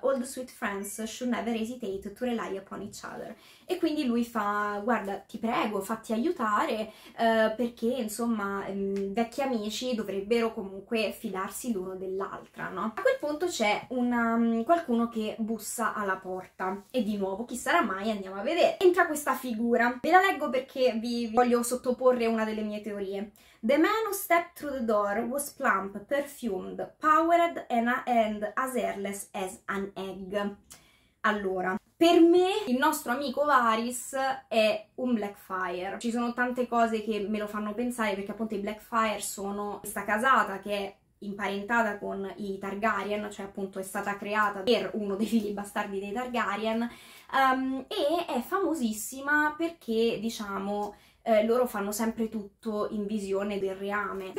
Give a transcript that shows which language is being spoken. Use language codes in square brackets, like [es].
[en] All the sweet friends should never hesitate to rely upon each other. [it] E quindi lui fa, guarda, ti prego, fatti aiutare, perché insomma vecchi amici dovrebbero comunque fidarsi l'uno dell'altra, no? A quel punto c'è qualcuno che bussa alla porta. E di nuovo, chi sarà mai? Andiamo a vedere. Entra questa figura. Ve la leggo perché vi voglio sottoporre una delle mie teorie. [en] The man who stepped through the door was plump, perfumed, powered and as hairless as an egg. [it] Allora, per me il nostro amico Varys è un Blackfyre. Ci sono tante cose che me lo fanno pensare, perché appunto i Blackfyre sono questa casata che è imparentata con i Targaryen, cioè appunto è stata creata per uno dei figli bastardi dei Targaryen, e è famosissima perché, diciamo, loro fanno sempre tutto in visione del reame.